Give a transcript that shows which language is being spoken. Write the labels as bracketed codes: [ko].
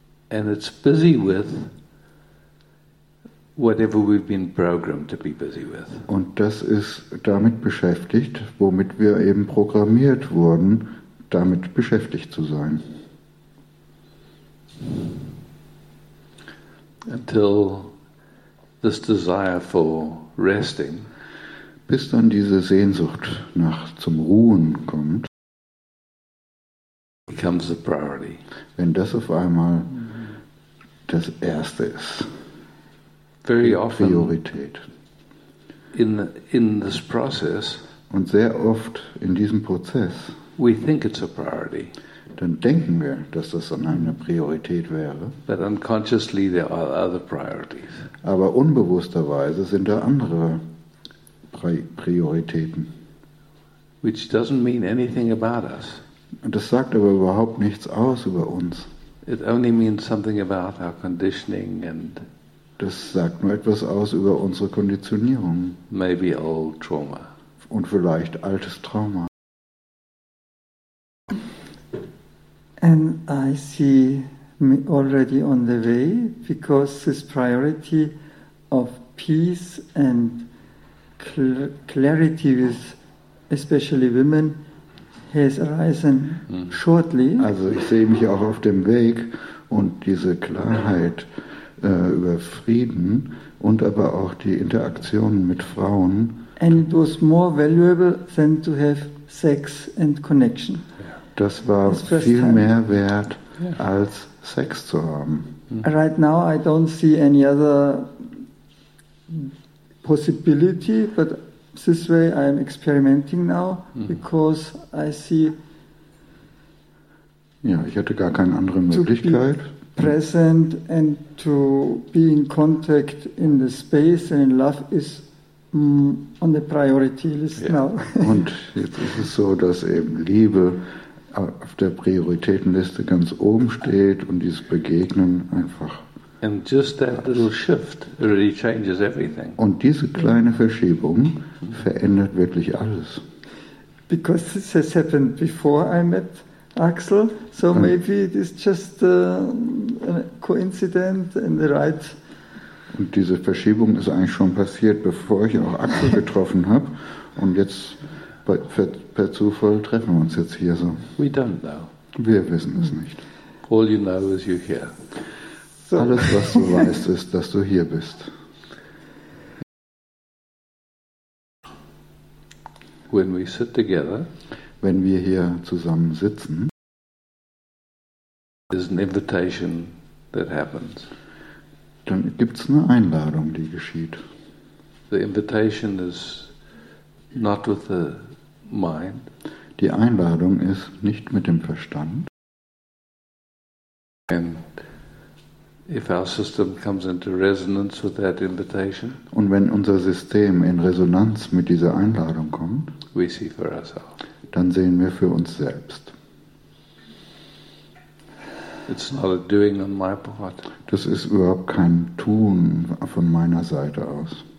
[en] And it's busy with whatever we've been programmed to be busy with. [de] Und das ist damit beschäftigt, womit wir eben programmiert wurden, damit beschäftigt zu sein. [en] Until this desire for resting, [de] bis dann diese Sehnsucht nach zum Ruhen kommt, [en] becomes the priority. [de] Wenn das auf einmal das Erste ist, [en] very often [de] Priorität. [en] In this process, [de] und sehr oft in diesem Prozess, [en] we think it's a priority. [de] Dann denken wir, dass das dann eine Priorität wäre. [en] But unconsciously there are other priorities. [de] Aber unbewussterweise sind da andere Prioritäten. [en] Which doesn't mean anything about us. [de] Das sagt aber überhaupt nichts aus über uns. [en] It only means something about our conditioning and [de] das sagt nur etwas aus über unsere Konditionierung. [en] Maybe old trauma. [de] Und vielleicht altes Trauma. [en] And I see me already on the way because this priority of peace and clarity with especially women has arisen shortly. [de] Also ich sehe mich auch auf dem Weg und diese Klarheit über Frieden und aber auch die Interaktion mit Frauen. [en] And it was more valuable than to have sex and connection. [de] Das war viel mehr wert, als Sex zu haben. [en] Right now I don't see any other possibility, but this way I'm experimenting now, because I see. [de] Ja, ich hatte gar keine andere Möglichkeit. [en] To be present and to be in contact in the space and in love is on the priority list now. [de] Und jetzt ist es so, dass eben Liebe auf der Prioritätenliste ganz oben steht und dieses Begegnen einfach. [en] And just that little shift really changes everything. [de] Und diese kleine Verschiebung verändert wirklich alles. [en] Because this has happened before I met Axel, so maybe it is just a coincidence and the right. [de] Und diese Verschiebung ist eigentlich schon passiert, bevor ich auch Axel getroffen habe. Und jetzt per Zufall treffen wir uns jetzt hier so. [en] We don't know. [de] Wir wissen es nicht. [en] All you know is you're here. So. [de] Alles, was du weißt, ist, dass du hier bist. [en] When we sit together, [de] wenn wir hier zusammen sitzen, [en] there's an invitation that happens. [de] Dann gibt es eine Einladung, die geschieht. [en] The invitation is not with the mind. [de] Die Einladung ist nicht mit dem Verstand. [en] And if our system comes into resonance with that invitation, [de] und wenn unser System in Resonanz mit dieser Einladung kommt, [en] we see for ourselves. [de] Dann sehen wir für uns selbst. [en] It's not a doing on my part. [de] Das ist überhaupt kein Tun von meiner Seite aus.